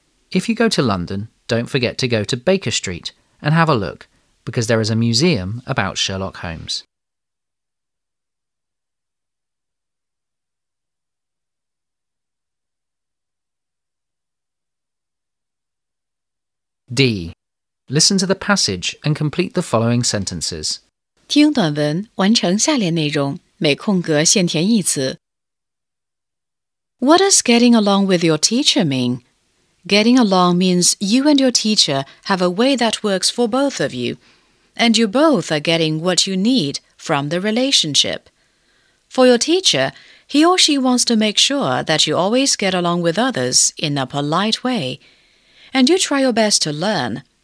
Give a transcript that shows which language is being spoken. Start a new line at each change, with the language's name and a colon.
English: If you go to London, don't forget to go to Baker Street and have a look, because there is a museum about Sherlock Holmes. D. Listen to the passage and complete the following sentences.
Chinese: 听短文，完成下列内容，每空格限填一词。
English: What does getting along with your teacher mean? Getting along means you and your teacher have a way that works for both of you, and you both are getting what you need from the relationship. For your teacher, he or she wants to make sure that you always get along with others in a polite way, and you try your best to learn.